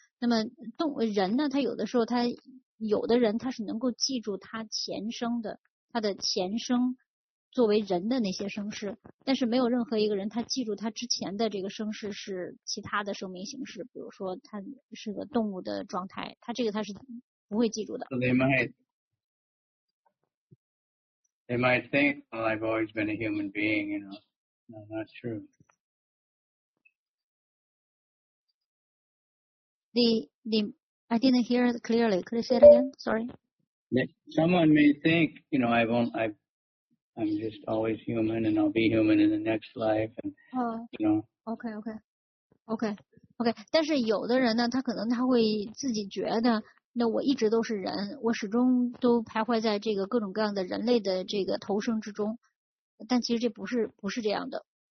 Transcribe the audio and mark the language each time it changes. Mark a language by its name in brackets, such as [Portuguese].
[Chinese] 那么动物人呢，他有的时候有的人他是能够记住他前生的，他的前生作为人的那些生世，但是没有任何一个人他记住他之前的这个生世是其他的生命形式，比如说他是个动物的状态，他这个他是不会记住的。 [English] So they might think, well, I've always been a human being, you know. No, not true. I didn't hear it clearly. Could you say it again? Sorry. Someone may think, you know, I'm just always human and I'll be human in the next life and, you know. Okay. [Chinese] 但是有的人呢，他可能他会自己觉得，那我一直都是人，我始终都徘徊在这个各种各样的人类的这个投生之中，但其实这不是这样的。